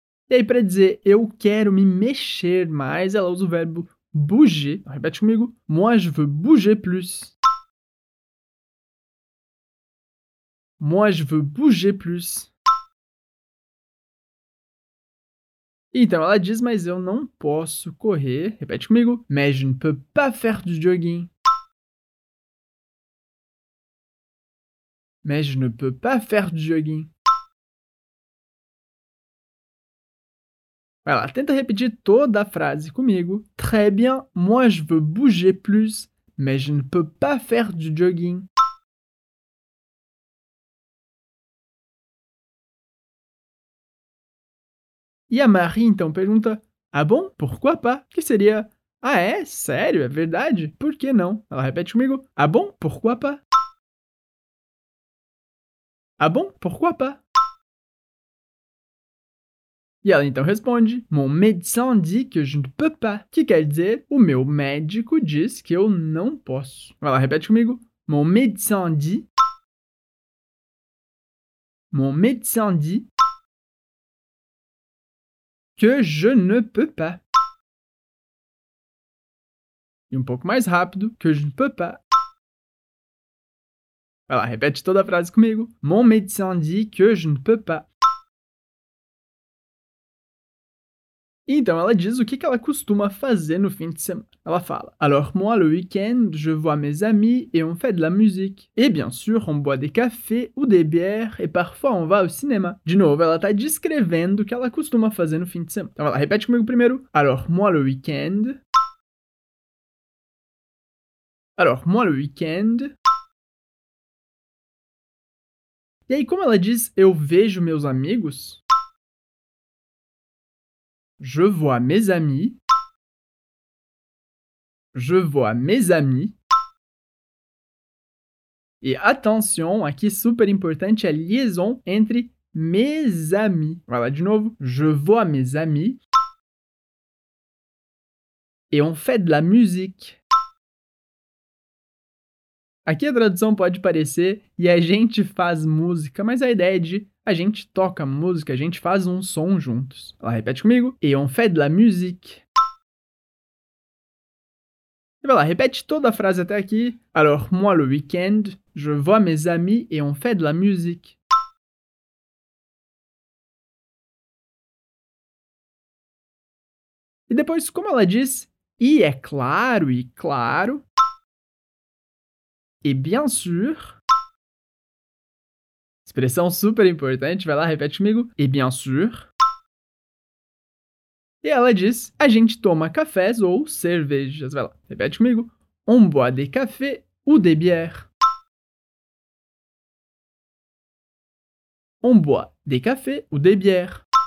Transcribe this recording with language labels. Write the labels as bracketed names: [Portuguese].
[Portuguese] E aí, para dizer eu quero me mexer mais, ela usa o verbo bouger. Então, repete comigo. [French] Moi, je veux bouger plus. Moi, je veux bouger plus. [Portuguese] Então, ela diz, mas eu não posso correr. Repete comigo. [French] Mais je ne peux pas faire du jogging. Mais je ne peux pas faire du jogging. [Portuguese] Vai lá, tenta repetir toda a frase comigo. [French] Très bien, moi je veux bouger plus, mais je ne peux pas faire du jogging. [Portuguese] E a Marie, então, pergunta, [French] ah bon, pourquoi pas? [Portuguese] Que seria, ah é, sério, é verdade? Por que não? Ela repete comigo, [French] ah bon, pourquoi pas? Ah bon, pourquoi pas? [Portuguese] E ela, então, responde, [French] mon médecin dit que je ne peux pas. [Portuguese] Que quer dizer, o meu médico diz que eu não posso. Vai lá, repete comigo, [French] mon médecin dit. Mon médecin dit. Que je ne peux pas. [Portuguese] E um pouco mais rápido, [French] que je ne peux pas. [Portuguese] Vai lá, repete toda a frase comigo. [French] Mon médecin dit que je ne peux pas. [Portuguese] Então, ela diz o que ela costuma fazer no fim de semana. Ela fala, [French] alors moi, le week-end, je vois mes amis et on fait de la musique. Et bien sûr, on boit des cafés ou des bières et parfois on va au cinéma. [Portuguese] De novo, ela tá descrevendo o que ela costuma fazer no fim de semana. Então, ela repete comigo primeiro. [French] Alors moi, le week-end. Alors moi, le week-end. [Portuguese] E aí, como ela diz, eu vejo meus amigos? [French] Je vois mes amis. Je vois mes amis. [Portuguese] E atenção, aqui super importante a liaison entre mes amis. [French] Voilà, [Portuguese] de novo. [French] Je vois mes amis. et on fait de la musique. [Portuguese] Aqui a tradução pode parecer e a gente faz música, mas a ideia é de a gente toca música, a gente faz um som juntos. Ela repete comigo. [French] Et on fait de la musique. [Portuguese] E vai lá, repete toda a frase até aqui. [French] Alors, moi le week-end, je vois mes amis et on fait de la musique. [Portuguese] E depois, como ela diz, e é claro, e claro. [French] Et bien sûr. [Portuguese] Expressão super importante, vai lá, repete comigo. [French] Et bien sûr. [Portuguese] E ela diz, a gente toma cafés ou cervejas. Vai lá, repete comigo. [French] On boit des cafés ou des bières. On boit des cafés ou des bières.